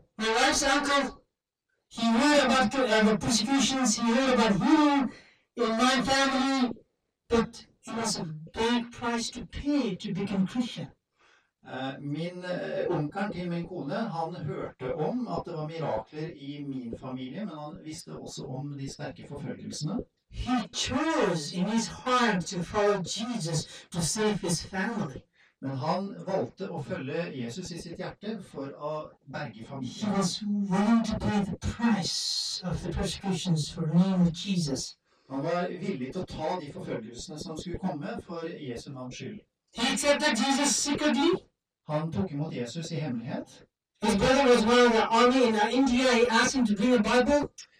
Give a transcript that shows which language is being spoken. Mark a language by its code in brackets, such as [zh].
[en] My wife's uncle, he heard about the persecutions, he heard about healing in my family, but it was a big price to pay to become Christian. [no] Min onkel til min kone, han hørte om at det var mirakler I min familie, men han visste også om de sterke forfølgelsene. [en] He chose in his heart to follow Jesus to save his family. [no] Men han valgte å følge Jesus I sitt hjerte for å berge familien. [en] He was willing to pay the price of the persecutions for the name of Jesus. [no] Han var villig til å ta de forfølgelsene som skulle komme for Jesu navns skyld. [en] He accepted Jesus secretly. [no] Han tok imot Jesus I hemmelighet. [en] His brother was one of the army in India. He asked him to bring a Bible.